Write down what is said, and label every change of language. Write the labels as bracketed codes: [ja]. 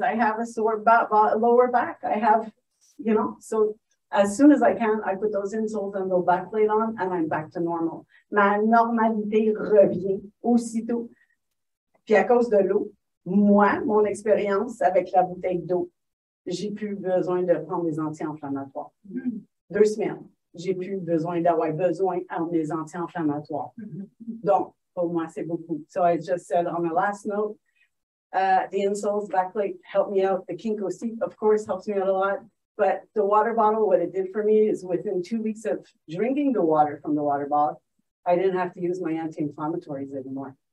[en] I have a sore lower back. I have, you know, so as soon as I can, I put those insoles and the back plate on, and I'm back to normal. [fr] Ma normalité revient aussitôt. Puis à cause de l'eau, moi, mon expérience avec la bouteille d'eau, j'ai plus besoin de prendre des anti-inflammatoires. Deux semaines, j'ai plus besoin d'avoir besoin à mes anti-inflammatoires. Donc, pour moi, c'est beaucoup. [en] So I just said on the last note, the insoles, back plate helped me out. The Kinko seat, of course, helps me out a lot. But the water bottle, what it did for me is within 2 weeks of drinking the water from the water bottle, I didn't have to use my anti-inflammatories anymore.